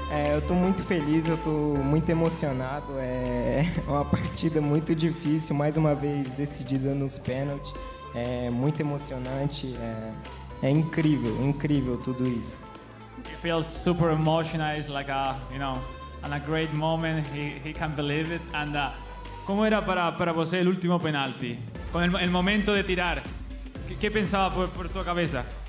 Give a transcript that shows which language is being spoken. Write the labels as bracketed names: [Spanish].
[Portuguese] Eu tô muito feliz, eu tô muito emocionado. É uma partida muito difícil, mais uma vez decidida nos pênaltis. É muito emocionante. É incrível, incrível tudo isso. [English] It feels super emotional, it's like a, you know, and a great moment, he can't believe it. [Spanish] And ¿cómo era para você el último penalti? Con el momento de tirar, ¿qué pensaba por tu cabeza?